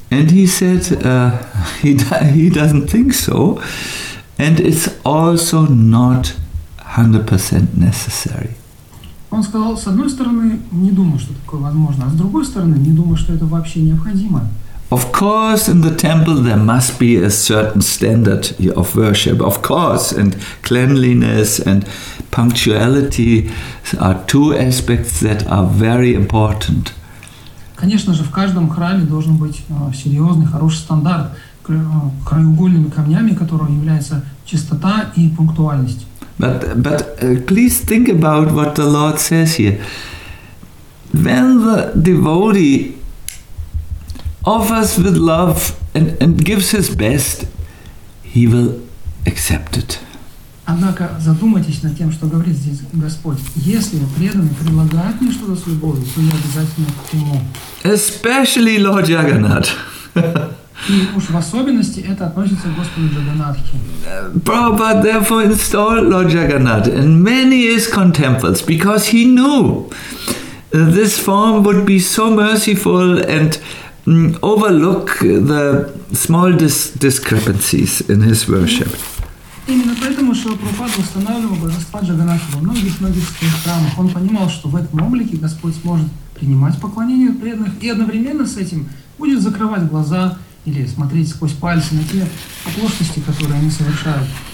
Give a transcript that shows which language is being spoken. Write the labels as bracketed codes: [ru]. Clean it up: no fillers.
[en] And he said he doesn't think so, and it's also not 100% necessary. [ru] Он сказал, с одной стороны, не думаю, что такое возможно, а с другой стороны, не думаю, что это вообще необходимо. [en] Of course, in the temple there must be a certain standard of worship. Of course, and cleanliness and punctuality are two aspects that are very important. [ru] Конечно же, в каждом храме должен быть серьезный, хороший стандарт, краеугольными камнями которого является чистота и пунктуальность. [en] But please think about what the Lord says here. When the devotee offers with love and gives his best, he will accept it. [ru] Однако задумайтесь над тем, что говорит здесь Господь. Если преданный предлагает мне что-то с любовью, то я обязательно приму. [en] Especially Lord Jagannath. [ru] И уж в особенности это относится к Господу Джаганнатхе. [en] Prabhupada therefore installed Lord Jagannath in many ISKCON temples because he knew this form would be so merciful and overlook the small discrepancies in his worship. [ru] Именно поэтому Шрила Прабхупада устанавливал божества Джаганнатхе во многих-многих своих храмах. Он понимал, что в этом облике Господь сможет принимать поклонение преданных и одновременно с этим будет закрывать глаза или смотреть сквозь пальцы на те оплошности, которые они совершают.